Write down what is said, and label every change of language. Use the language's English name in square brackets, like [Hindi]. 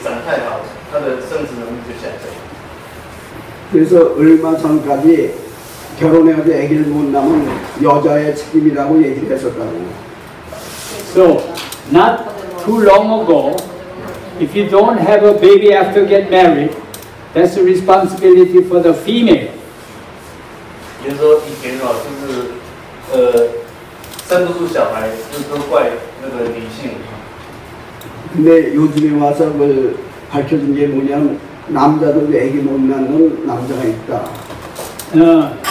[Chinese] 当叶子过大，或者是过肥的时候，它的生殖能力下降。比如说，如果叶子太大，它不容易就开花；不容易开花，就不容易有结果实。那结果实其实花它会结果实就是因为生殖，它的环境下的下一代。它的叶子长太好，它的生殖能力就下降。 [Korean] 그래서 얼마 전까지 결혼해서 아기를 못 낳으면 여자의 책임이라고 얘기를 했었다고. [English] So, not too long ago, if you don't have a baby after get married, that's the responsibility for the female. [Chinese] 也就是说以前就是生不出小孩，就都怪那个女性。 [Korean] 근데 요즘에 와서 밝혀진 게 뭐냐면 남자도 애기 못 낳는 남자가 있다.